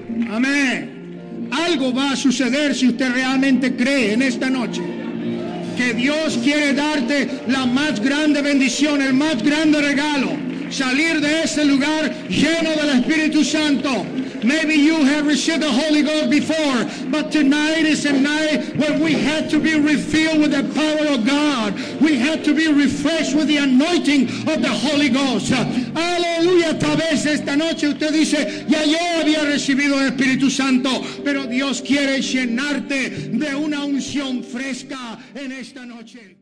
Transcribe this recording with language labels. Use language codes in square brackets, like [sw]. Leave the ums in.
[es] Amén. Algo va a suceder si usted realmente cree en esta noche que Dios quiere darte la más grande bendición, el más grande regalo. Salir de este lugar lleno del Espíritu Santo. [en] Maybe you have received the Holy Ghost before, but tonight is a night where we had to be refilled with the power of God. We had to be refreshed with the anointing of the Holy Ghost. [es] Aleluya, tal vez esta noche usted dice, ya yo había recibido el Espíritu Santo, pero Dios quiere llenarte de una unción fresca en esta noche.